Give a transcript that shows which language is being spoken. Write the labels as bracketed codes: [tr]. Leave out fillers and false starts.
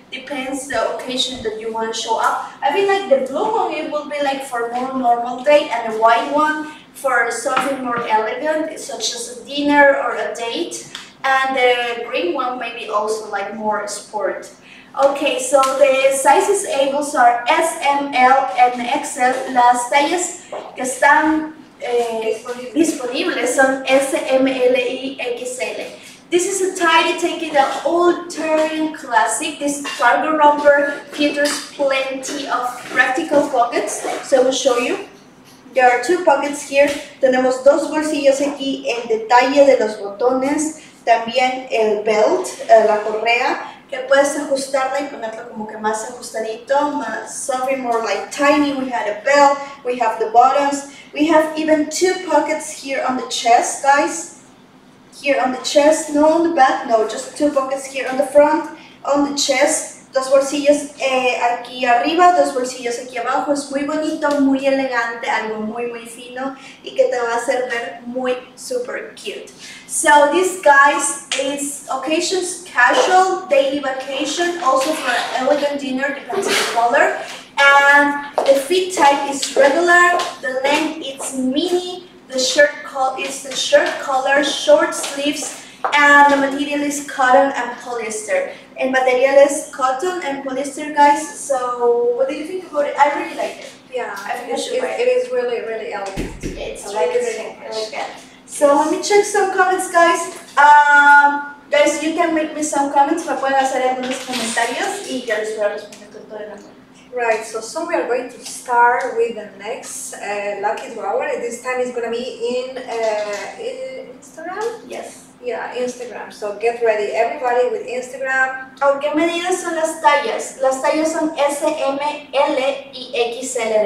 [en] Depends the occasion that you want to show up. I think like the blue one, it will be like for more normal day, and the white one for something more elegant, such as a dinner or a date. And the green one maybe also like more sport. Okay, so the sizes able are S, M, L, and XL. [es] Las tallas que están disponibles son S, M, L, y XL. [en] This is a tidy taking the old terrain classic. This cargo romper features plenty of practical pockets. So I will show you. There are two pockets here. [es] Tenemos dos bolsillos aquí en detalle de los botones. También el belt, la correa, que puedes ajustarla y ponerlo como que más ajustadito, más, [en] something more like tiny. We had a belt, we have the bottoms. We have even two pockets here on the chest, guys. Here on the chest, no on the back, no, just two pockets here on the front, on the chest. [es] Dos bolsillos aquí arriba, dos bolsillos aquí abajo. Es muy bonito, muy elegante, algo muy, muy fino y que te va a hacer ver muy, [en] super cute. So this, guys, is occasions casual, daily vacation, also for an elegant dinner, depends on the color. And the fit type is regular, the length is mini, the shirt is the shirt color, short sleeves, and the material is cotton and polyester. [es] El material es [en] cotton and polyester, guys. So what do you think about it? I really like it. Yeah, I think you should buy it. It is really, really elegant. It's I really, like it really elegant. So let me check some comments, guys. Guys, you can make me some comments. [es] Me pueden hacer algunos comentarios y ya les voy a responder con todo el amor. [en] Right, so we are going to start with the next lucky drawer. This time it's gonna be in Instagram. Yes. Yeah, Instagram. So get ready, everybody, with Instagram. [es] Oh, ¿qué medidas son las tallas? Las tallas son S, M, L y XL.